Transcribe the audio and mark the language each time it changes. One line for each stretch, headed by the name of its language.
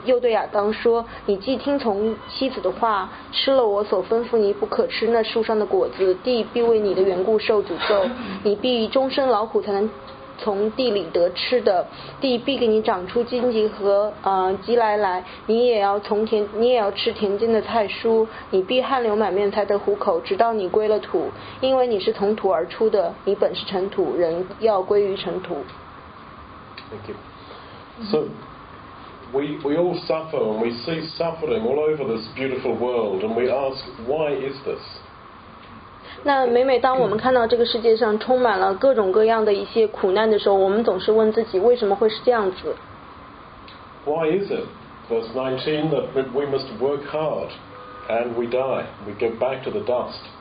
Chinese: 又对亚当说，你既听从妻子的话，吃了我所吩咐你不可吃那树上的果子，地必为你的缘故受诅咒，你必终身劳苦才能从地里得吃的。地必给你长出荆棘和棘来来，你也要从田，你也要吃田间的菜蔬。你必汗流满面才得糊口，直到你归了土，因为你是从土而出的，你本是尘土，人要归于尘土。
English: Thank you. So we all suffer and we see suffering all over this beautiful world and we ask, why is this?
Chinese: 那每每当我们看到这个世界上充满了各种各样的一些苦难的时候，我们总是问自己，为什么会是这样子？
English: Why is it, verse 19, that we must work hard and we die, we go back to the dust?